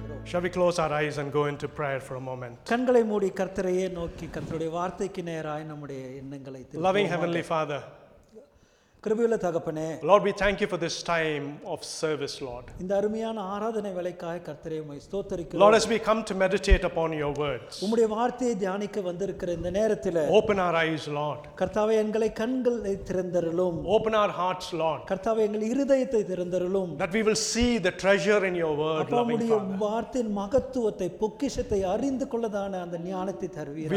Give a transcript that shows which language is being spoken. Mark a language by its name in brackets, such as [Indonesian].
[English] Shall we close our eyes and go into prayer for a moment? [Tamil] கண்களை மூடி கர்த்தரையே நோக்கி கர்த்தருடைய வார்த்தைக்கு நேராய் நம்முடைய எண்ணங்களை திருப்புவோம். [English] Loving heavenly Father, [Tamil] கிருபையுள்ள தகப்பனே, [English] Lord, we thank you for this time of service, Lord. [Tamil] இந்த அருமையான ஆராதனை வேளைக்காய் கர்த்தரே உம்மை ஸ்தோத்தரிக்கிறோம். [English] Lord, as we come to meditate upon your words, [Tamil] உம்முடைய வார்த்தையை தியானிக்க வந்திருக்கிற இந்த நேரத்தில், [English] open our eyes, Lord. [Tamil] கர்த்தாவே எங்களை கண்களை திறந்தருளும். [English] Open our hearts, Lord. [Tamil] கர்த்தாவே எங்கள் இருதயத்தை திறந்தருளும். [English] That we will see the treasure in your word, loving Father. [Tamil] உம்முடைய வார்த்தையின் மகத்துவத்தை பொக்கிஷத்தை அறிந்து கொள்ளதான அந்த ஞானத்தை தருவீராக.